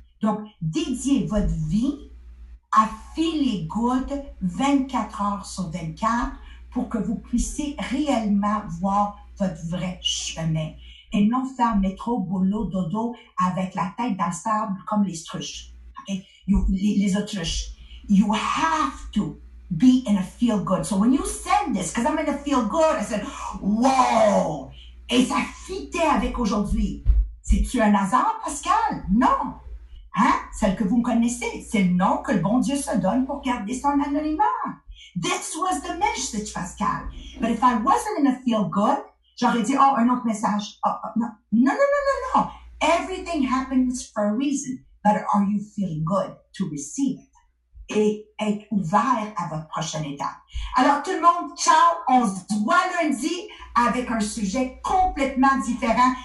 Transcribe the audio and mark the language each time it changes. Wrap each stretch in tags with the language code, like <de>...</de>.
<fr>Donc, dédiez votre vie à feeling good 24 heures sur 24 pour que vous puissiez réellement voir votre vrai chemin et non faire métro, boulot, dodo avec la tête dans le sable comme les struches. Okay? Les autruches.</fr> <en>You have to be in a feel good. So when you said this, because I'm in a feel good, I said, wow!</en> <fr>Et ça fitait avec aujourd'hui. C'est-tu un hasard, Pascal? Non! Hein? Celle que vous me connaissez, c'est le nom que le bon Dieu se donne pour garder son anonymat.</fr> <en>This was the message, Pascal. But if I wasn't in a feel good,</en> <fr>j'aurais dit, oh, un autre message. Oh, non. Non, non, non, non, non.</fr> <en>Everything happens for a reason. But are you feeling good to receive it?</en> <fr>Et être ouvert à votre prochaine étape. Alors, tout le monde, ciao! On se voit lundi avec un sujet complètement différent.</fr>